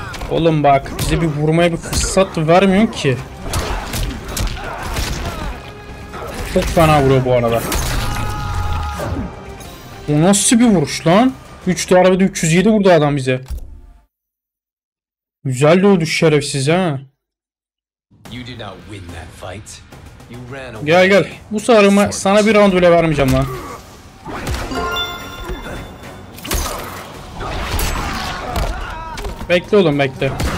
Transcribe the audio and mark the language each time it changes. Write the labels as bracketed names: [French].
[Turkish] Oğlum bak, bize bir vurmaya bir fırsat vermiyorsun ki. Çok fena vuruyor bu arada. O nasıl bir vuruş lan? 3'te arabada 307 vurdu adam bize. Güzel de öldü şerefsiz ha. [English] You did not win that fight. [Turkish] Gel gel. Bu sarımı sana bir round bile vermeyeceğim lan. Bekle oğlum bekle.